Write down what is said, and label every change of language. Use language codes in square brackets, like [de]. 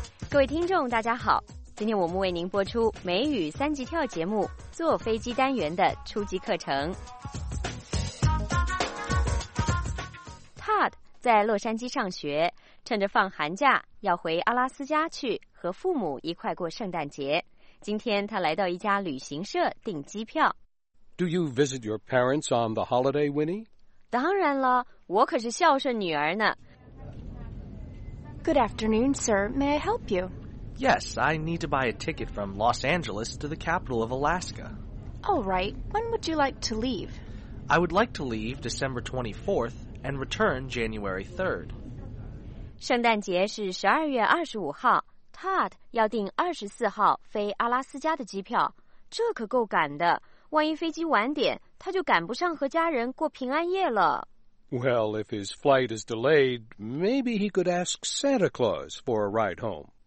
[zh] 各位听众大家好，今天我们为您播出美语三级跳节目坐飞机单元的初级课程。 Todd 在洛杉矶上学，趁着放寒假要回阿拉斯加去和父母一块过圣诞节。今天他来到一家旅行社订机票。 [en] Do you visit your parents on the holiday, Winnie? [zh] 当然了，我可是孝顺女儿呢。 [en] Good afternoon, sir. May I help you? Yes, I need to buy a ticket from Los Angeles to the capital of Alaska. All right. When would you like to leave? I would like to leave December 24th and return January 3rd. [zh] 圣诞节是12月25号。 Todd 要订24号飞阿拉斯加的机票，这可够赶的。万一飞机晚点，他就赶不上和家人过平安夜了。 [en] Well, if his flight is delayed, maybe he could ask Santa Claus for a ride home.